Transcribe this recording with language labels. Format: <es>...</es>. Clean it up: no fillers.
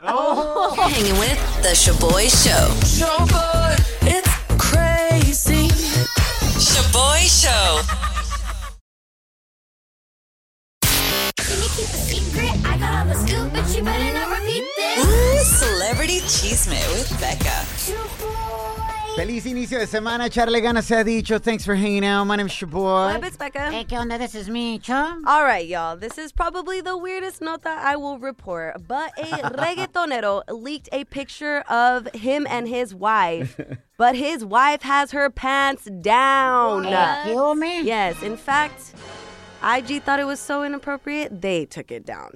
<en>Oh. Hanging with the Shaboy Show. Shaboy, it's crazy. Shaboy Show. Can you keep a secret? I got all the scoop, but you better not repeat this. Ooh, celebrity chisme with Becca.</en> <es>Feliz inicio de semana, echarle ganas se ha dicho.</es> <en>Thanks for hanging out. My name's Shaboy. What up, it's Becca. Hey,</en> <es>¿qué onda?</es> <en>This is Micho. All right, y'all. This is probably the weirdest nota I will report, but a reggaetonero leaked a picture of him and his wife, but his wife has her pants down. Kill me? Yes. In fact, IG thought it was so inappropriate, they took it down.</en>